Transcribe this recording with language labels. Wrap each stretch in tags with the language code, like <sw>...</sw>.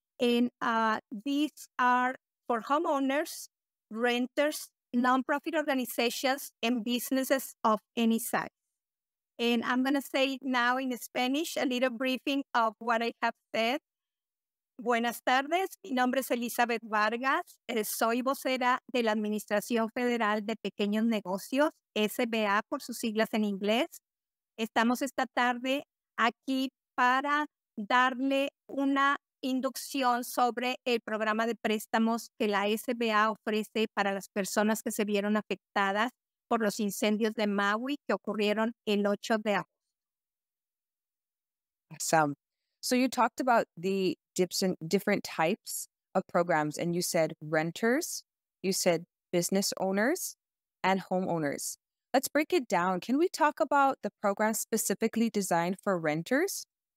<en>And these are for homeowners, renters, nonprofit organizations, and businesses of any size. And I'm going to say now in Spanish a little briefing of what I have said.</en> <es>Buenas tardes. Mi nombre es Elizabeth Vargas. Soy vocera de la Administración Federal de Pequeños Negocios, SBA por sus siglas en inglés. Estamos esta tarde aquí para darle una inducción sobre el programa de préstamos que la SBA ofrece para las personas que se vieron afectadas por los incendios de Maui que ocurrieron el 8 de agosto.</es> <en>Awesome. So you talked about the different types of programs, and you said renters, you said business owners, and homeowners. Let's break it down. Can we talk about the program specifically designed for renters?</en>